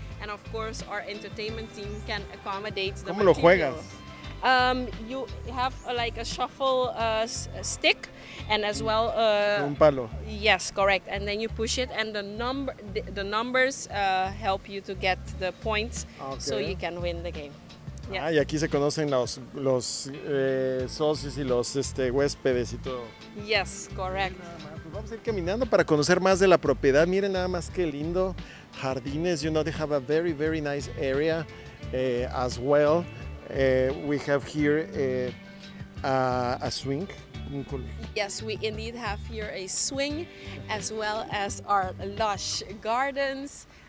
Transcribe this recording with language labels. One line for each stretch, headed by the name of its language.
English: And of course, our entertainment team can accommodate the
Spanish: material. ¿Cómo lo juegas?
English: You have like a shuffle stick, and as well
Spanish: un palo.
English: Yes, correct. And then you push it, and the numbers help you to get the points, okay. So you can win the game. Yeah.
Spanish: Ah, y aquí se conocen los socios y los huéspedes y todo.
English: Yes, correct.
Spanish: Vamos a ir caminando para conocer más de la propiedad. Miren nada más qué lindo jardines.
English: You know, they have a very, very nice area as well. We have here a swing. Yes, we indeed have here a swing as well as our lush gardens.